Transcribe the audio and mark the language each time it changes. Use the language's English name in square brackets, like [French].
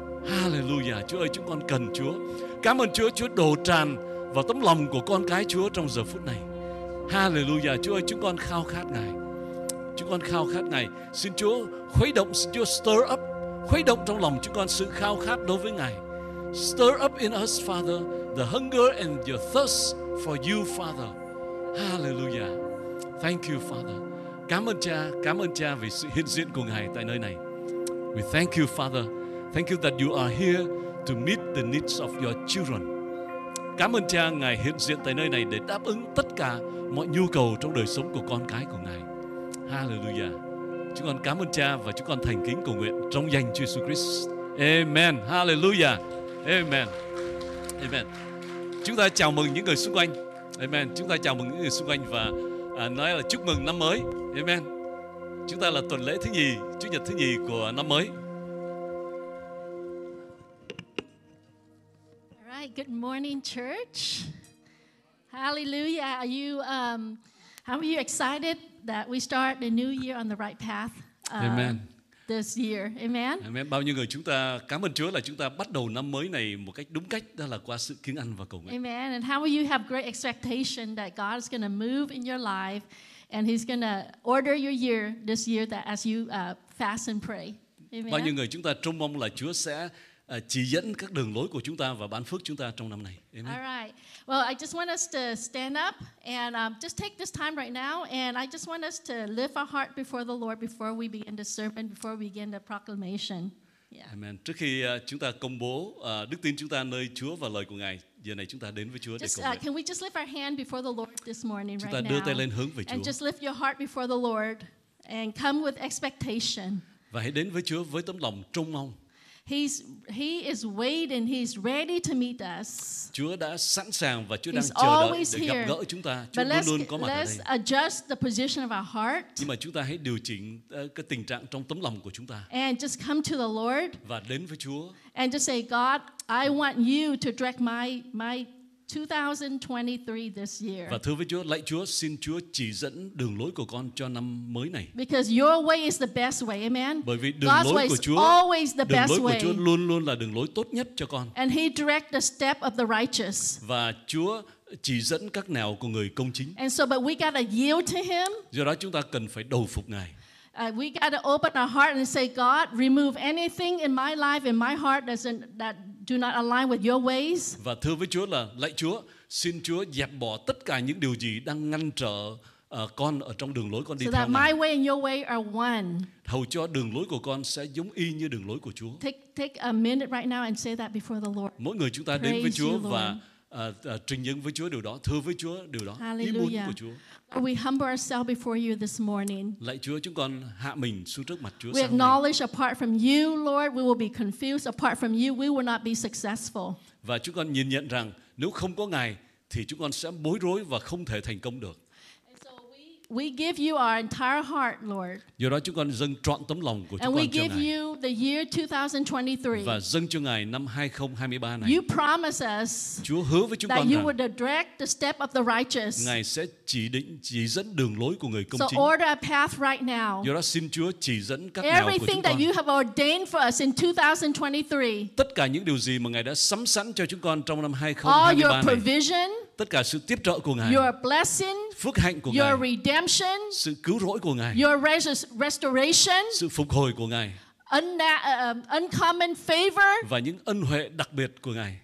[English] Hallelujah. [Vietnamese] Chúa ơi, chúng con cần Chúa. Cảm ơn Chúa, Chúa đổ tràn vào tấm lòng của con cái Chúa trong giờ phút này. Hallelujah. Chúa ơi, chúng con khao khát Ngài. Chúng con khao khát Ngài. Xin Chúa khuấy động, xin Chúa [English] stir up, [Vietnamese] khuấy động trong lòng chúng con sự khao khát đối với Ngài. [English] Stir up in us, Father, the hunger and your thirst for you, Father. Hallelujah. Thank you, Father. [Vietnamese] Cảm ơn Cha vì sự hiện diện của Ngài tại nơi này. [English] We thank you, Father. Thank you that you are here to meet the needs of your children. [Vietnamese] Cảm ơn Cha, Ngài hiện diện tại nơi này để đáp ứng tất cả mọi nhu cầu trong đời sống của con cái của Ngài. Hallelujah. Chúng con cảm ơn Cha và chúng con thành kính cầu nguyện trong danh Chúa Jesus Christ. [English] Amen. Hallelujah. Amen. Amen. [Vietnamese] Chúng ta chào mừng những người xung quanh. Amen. Chúng ta chào mừng những người xung quanh và nói là chúc mừng năm mới. Amen. Chúng ta là tuần lễ thứ nhì, Chủ nhật thứ nhì của năm mới. [English] Good morning, church. Hallelujah. Are you, how are you excited that we start the new year on the right path? Amen. This year. Amen. Amen. [Vietnamese] Bao nhiêu người chúng ta cảm ơn Chúa là chúng ta bắt đầu năm mới này một cách đúng cách, đó là qua sự kiêng ăn và cầu nguyện. [English] Amen. And how will you have great expectation that God is going to move in your life and He's going to order your year this year that as you fast and pray. Amen. [Vietnamese] Bao nhiêu người chúng ta trông mong là Chúa sẽ chỉ dẫn các đường lối của chúng ta và ban phước chúng ta trong năm này. [English] Amen. All right. Well, I just want us to stand up and just take this time right now and I just want us to lift our heart before the Lord before we begin the sermon, before we begin the proclamation. Yeah. Amen. [Vietnamese] Trước khi chúng ta công bố đức tin chúng ta nơi Chúa và lời của Ngài, giờ này chúng ta đến với Chúa để cầu nguyện. [English] Can we just lift our hand before the Lord this morning right now? [Vietnamese] Chúng ta đưa tay lên hướng về Chúa. [English] And just lift your heart before the Lord and come with expectation. [Vietnamese] Và hãy đến với Chúa với tấm lòng trông mong. [English] He is waiting. He's ready to meet us. [Vietnamese] Chúa đã sẵn sàng và Chúa đang chờ đợi để gặp gỡ chúng ta. Chúa luôn luôn có mặt ở đây. [English] Adjust the position of our heart. [Vietnamese] Nhưng mà chúng ta hãy điều chỉnh cái tình trạng trong tấm lòng của chúng ta. [English] And just come to the Lord. [Vietnamese] Và đến với Chúa. [English] And just say, God, I want you to direct my 2023 this year. [Vietnamese] Và thưa với Chúa, lạy Chúa, xin Chúa chỉ dẫn đường lối của con cho năm mới này. [English] Because your way is the best way, amen. [Vietnamese] Bởi vì đường [English] God's [Vietnamese] lối của Chúa, [English] always the [Vietnamese] đường [English] best [Vietnamese] lối của [English] way. [Vietnamese] Chúa luôn luôn là đường lối tốt nhất cho con. [English] And He directs the step of the righteous. [Vietnamese] Và Chúa chỉ dẫn các nẻo của người công chính. [English] And so, but we gotta yield to Him. [Vietnamese] Do đó chúng ta cần phải đầu phục Ngài. [English] We gotta open our heart and say, God, remove anything in my life, in my heart that do not align with your ways. [Vietnamese] Và thưa với Chúa là, lạy Chúa, xin Chúa dẹp bỏ tất cả những điều gì đang ngăn trở con ở trong đường lối con đi [English] so [Vietnamese] theo [English] that my way and your way are one. [Vietnamese] Hầu cho đường lối của con sẽ giống y như đường lối của Chúa. [English] Take a minute right now and say that before the Lord. [Vietnamese] Mỗi người chúng ta [English] praise [Vietnamese] đến với Chúa [English] you, [Vietnamese] và trình dâng với Chúa điều đó, thưa với Chúa điều đó, [English] hallelujah. [Vietnamese] Ý muốn của Chúa. [English] We humble ourselves before you this morning. Lạy Chúa, chúng con hạ mình xuống trước mặt Chúa. We acknowledge apart from you, Lord, we will be confused. Apart from you, we will not be successful. [Vietnamese] Và chúng con nhìn nhận rằng nếu không có Ngài thì chúng con sẽ bối rối và không thể thành công được. [English] We give you our entire heart, Lord. [Vietnamese] Do đó chúng con dâng trọn tấm lòng của chúng con cho Ngài. [English] And we give you the year 2023. [Vietnamese] Và dâng cho Ngài năm 2023 này. [English] You promise us. [Vietnamese] Chúa hứa với chúng con [English] rằng. That you would direct the step of the righteous. [Vietnamese] Ngài sẽ chỉ định chỉ dẫn đường lối của người công chính. [English] So order a path right now. [Vietnamese] Do đó xin Chúa chỉ dẫn các nẻo của chúng con. [English] Everything that you have ordained for us in 2023. [Vietnamese] Tất cả những điều gì mà Ngài đã sắm sẵn cho chúng con trong năm 2023 này. [English] All your provision. [Vietnamese] Tất cả sự tiếp trợ của Ngài. [English] Your blessing. [Vietnamese] Phước hạnh của [English] your [Vietnamese] Ngài. [English] Redemption. [Vietnamese] Sự cứu rỗi của Ngài. [English] Your restoration. [Vietnamese] Sự phục hồi của Ngài. [English] Uncommon favor. [Vietnamese] Và những ân huệ đặc biệt của Ngài.